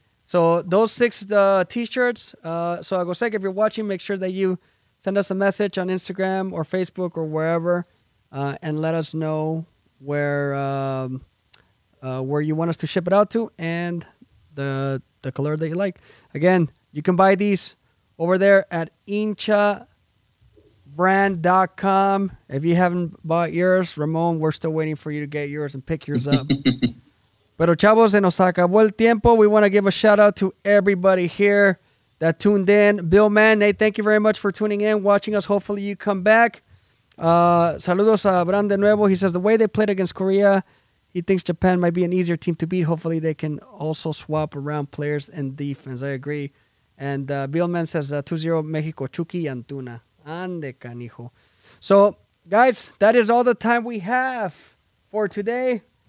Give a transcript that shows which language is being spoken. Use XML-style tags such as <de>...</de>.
<en>So those 6 t-shirts, so Ago Seg, if you're watching, make sure that you send us a message on Instagram or Facebook or wherever and let us know where you want us to ship it out to and the color that you like. Again, you can buy these over there at inchabrand.com. If you haven't bought yours, Ramon, we're still waiting for you to get yours and pick yours up.</en> <es>Pero chavos, se nos acabó el tiempo.</es> <en>We want to give a shout out to everybody here that tuned in. Bill Mann, Nate, thank you very much for tuning in, watching us. Hopefully you come back.</en> <es>Saludos a Brand de nuevo.</es> <en>He says the way they played against Korea, he thinks Japan might be an easier team to beat. Hopefully they can also swap around players and defense. I agree. And Bill Mann says 2-0 Mexico, Chucky Antuna.</en> <es>Ande canijo.</es> <en>So guys, that is all the time we have for today.</en>